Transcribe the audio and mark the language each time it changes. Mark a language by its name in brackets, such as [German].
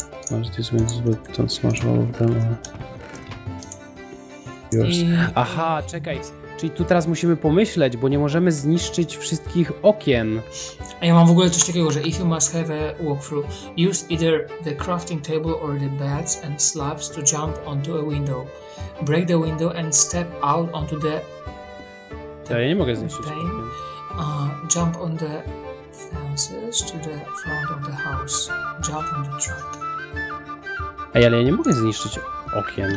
[Polish] Masz [English] this means but don't smash all of them. [Polish] Aha, czekaj. Czyli tu teraz musimy pomyśleć, bo nie możemy zniszczyć wszystkich okien. A ja mam w ogóle coś takiego, że [English] if you must have a walkthrough, use either the crafting table or the beds and slabs to jump onto a window. Break the window and step out onto the... [Polish] Ja nie mogę zniszczyć okien. [English] Jump on the fences to the front of the house. Jump on the truck. [Polish] A ja nie mogę zniszczyć okien.